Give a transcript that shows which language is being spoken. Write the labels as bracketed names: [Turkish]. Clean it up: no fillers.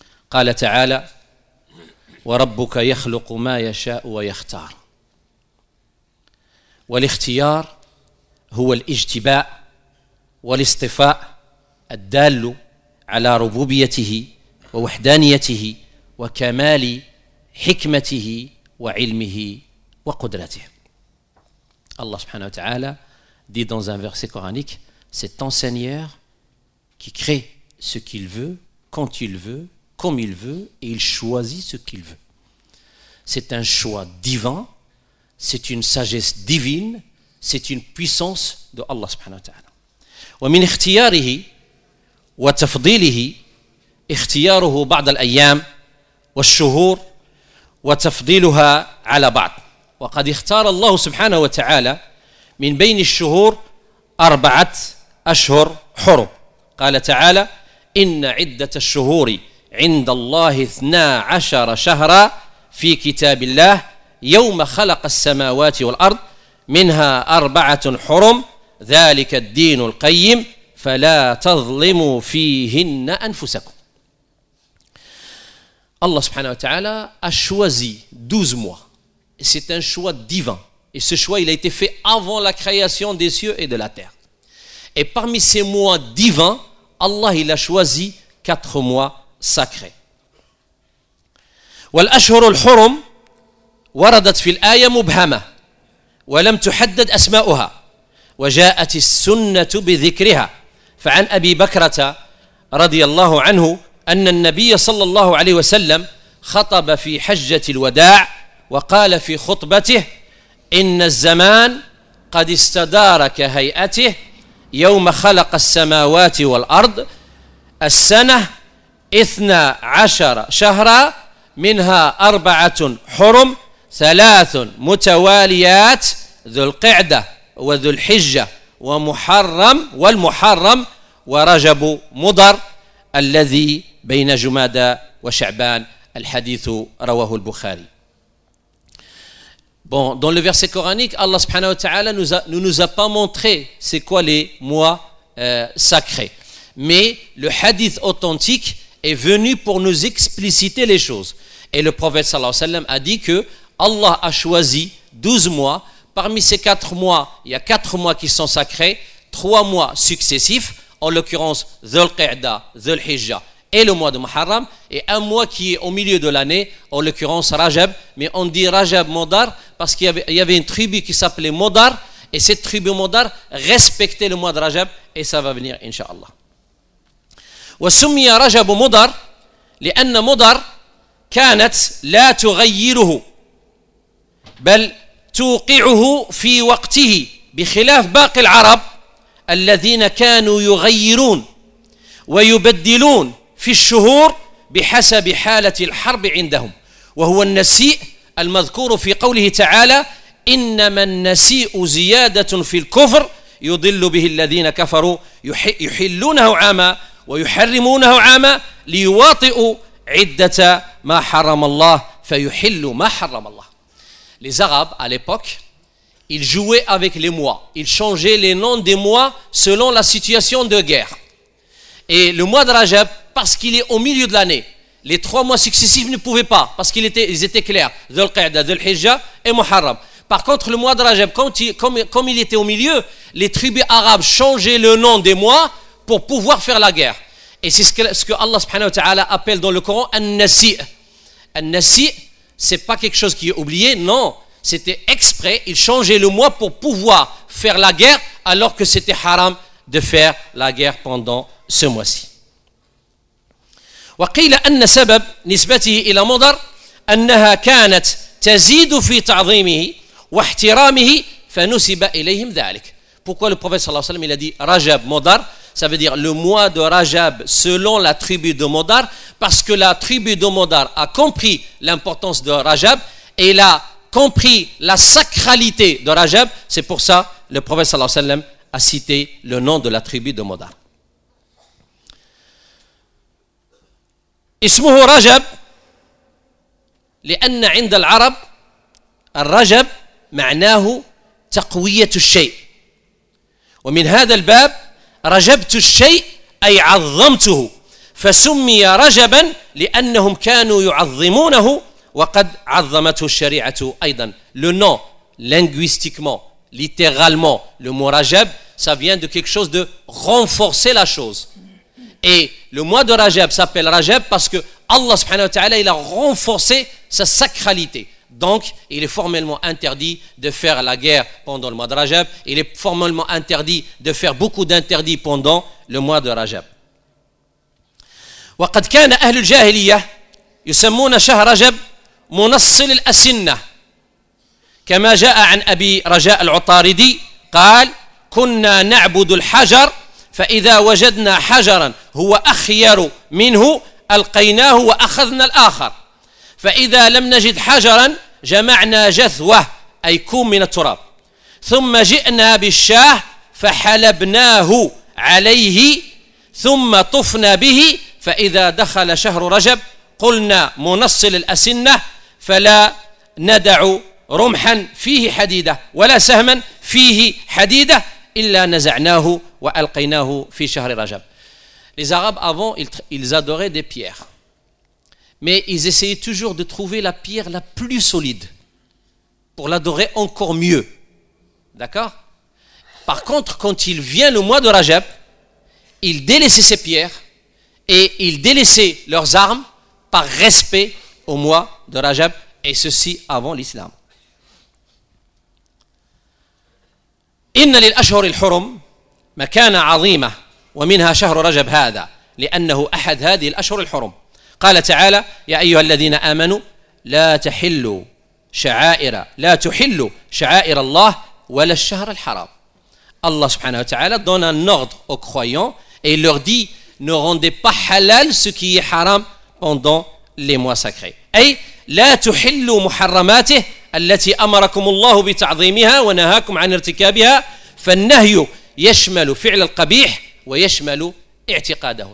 [Arabic] قال تعالى وربك يخلق ما يشاء ويختار والاختيار هو الاجتباء والاصطفاء الدال على ربوبيته ووحدانيته وكمال حكمته وعلمه وقدرته. الله سبحانه وتعالى [French] dit dans un verset coranique, c'est ton Seigneur qui crée ce qu'il veut, quand il veut, comme il veut, et il choisit ce qu'il veut. C'est un choix divin, c'est une sagesse divine, c'est une puissance de Allah [Arabic] subhanahu wa ta'ala. وَمِنْ اِخْتِيَارِهِ وَتَفْضِيلِهِ اِخْتِيَارُهُ بَعْدَ الْأَيَّامِ وَالشُّهُورِ وَتَفْضِيلُهَا عَلَى بَعْدِ وَقَدْ اِخْتَارَ اللَّهُ سُبْحَانَهُ وَتَعَالَى من بين الشهور أربعة أشهر حرم. قال تعالى إن عدة الشهور عند الله 12 شهرا في كتاب الله يوم خلق السماوات والأرض منها أربعة حرم ذلك الدين القيم فلا تظلموا فيهن أنفسكم. الله سبحانه وتعالى [French] a choisi 12 mois. C'est un choix divin. Et ce choix, il a été fait avant la création des cieux et de la terre. Et parmi ces mois divins, Allah, il a choisi 4 mois sacrés. [Arabic] والأشهر الحرم وردت في الآية مبهمة ولم تحدد أسماؤها وجاءت السنة بذكرها فعن أبي بكرة رضي الله عنه أن النبي صلى الله عليه وسلم خطب في حجة الوداع وقال في خطبته إن الزمان قد استدار كهيئته يوم خلق السماوات والأرض السنة 12 شهرا منها أربعة حرم ثلاث متواليات ذو القعدة وذو الحجة ومحرم والمحرم ورجب مضر الذي بين جمادى وشعبان الحديث رواه البخاري. [French] Bon, dans le verset coranique, Allah [Arabic] subhanahu wa ta'ala [French] ne nous a pas montré c'est quoi les mois sacrés. Mais le hadith authentique est venu pour nous expliciter les choses. Et le prophète [Arabic] sallallahu alayhi wa sallam [French] a dit que Allah a choisi 12 mois. Parmi ces 4 mois, il y a 4 mois qui sont sacrés, 3 mois successifs, en l'occurrence Dhul Qa'dah, Dhul Hijjah et le mois de Muharram, et un mois qui est au milieu de l'année, en l'occurrence Rajab. Mais on dit Rajab Modar parce qu'il y avait une tribu qui s'appelait Modar, et cette tribu Modar respectait le mois de Rajab, et ça va venir Inch'Allah. [Arabic] وَسُمِّيَ رَجَبُ مُدَرْ لِأَنَّ مُدَرْ كَانَتْ لَا تُغَيِّرُهُ بَلْ تُوقِعُهُ فِي وَقْتِهِ بِخِلَافْ بَاقِ الْعَرَبِ الَّذِينَ كَانُوا يُغَيِّرُونَ وَيُبَدِّلُونَ في الشهور بحسب حالة الحرب عندهم وهو النسيء المذكور في قوله تعالى إنما النسيء زيادة في الكفر يضل به الذين كفروا يحلونه عاما ويحرمونه عاما ليواطئوا عدة ما حرم الله فيحل ما حرم الله. [French] Les Arabes à l'époque, ils jouaient avec les mois, ils changeaient les noms des mois selon la situation de guerre. Et le mois de Rajab, parce qu'il est au milieu de l'année, les 3 mois successifs ne pouvaient pas, parce qu'ils étaient clairs, Dhul Qa'dah, Dhul Hijjah et Muharram. Par contre, le mois de Rajab, comme il était au milieu, les tribus arabes changeaient le nom des mois pour pouvoir faire la guerre. Et c'est ce que Allah subhanahu wa ta'ala appelle dans le Coran « An-Nasi' ». « An-Nasi' », c'est pas quelque chose qui est oublié, non. C'était exprès, ils changeaient le mois pour pouvoir faire la guerre, alors que c'était haram de faire la guerre pendant ce mois-ci. [Arabic] وقيل أن سبب نسبته إلى مضر أنها كانت تزيد في تعظيمه واحترامه فنسب إليهم ذلك. [French] Pourquoi le prophète [Arabic] صلى الله عليه وسلم [French] il a dit Rajab Modar, ça veut dire le mois de Rajab selon la tribu de Modar, parce que la tribu de Modar a compris l'importance de Rajab et il a compris la sacralité de Rajab. C'est pour ça le prophète [Arabic] صلى الله عليه وسلم [French] a cité le nom de la tribu de Modar. [Arabic] اسمه رجب لأن عند العرب الرجب معناه تقوية الشيء ومن هذا الباب رجبت الشيء أي عظمته فسمي رجبا لأنهم كانوا يعظمونه وقد عظمته الشريعة أيضا. [French] Le nom linguistiquement, littéralement, le mot رجب, ça vient de quelque chose de renforcer la chose. Et le mois de Rajab s'appelle Rajab parce que Allah [Arabic] subhanahu wa ta'ala [French] il a renforcé sa sacralité. Donc il est formellement interdit de faire la guerre pendant le mois de Rajab. Il est formellement interdit de faire beaucoup d'interdits pendant le mois de Rajab. [Arabic] وقد كان أهل الجاهلية يسمون شهر رجب منصل الأسنة كما جاء عن أبي رجاء العطاردي قال كنا نعبد الحجر فإذا وجدنا حجرا هو أخير منه ألقيناه وأخذنا الآخر فإذا لم نجد حجرا جمعنا جثوة أي كوم من التراب ثم جئنا بالشاه فحلبناه عليه ثم طفنا به فإذا دخل شهر رجب قلنا منصل الأسنة فلا ندع رمحا فيه حديدة ولا سهما فيه حديدة إلا نزعناه وألقيناه في شهر رجب. [French] Les Arabes avant ils adoraient des pierres, mais ils essayaient toujours de trouver la pierre la plus solide pour l'adorer encore mieux. D'accord ? Par contre, quand il vient le mois de Rajab, ils délaissaient ces pierres et ils délaissaient leurs armes par respect au mois de Rajab, et ceci avant l'islam. [Arabic] Inna lil ashhur al hurum makana 'azima wa minha shahr Rajab hadha li'annahu ahad hadhihi al ashhur al hurum. قال تعالى يا ايها الذين امنوا لا تحلوا شعائر لا تحلوا شعائر الله ولا الشهر الحرام. الله سبحانه وتعالى [French] donne un ordre aux croyants et il leur dit ne rendez pas halal ce qui est haram pendant les mois sacrés. [Arabic] اي لا تحلوا محرماته التي امركم الله بتعظيمها ونهاكم عن ارتكابها فالنهي يشمل فعل القبيح ويشمل اعتقاده.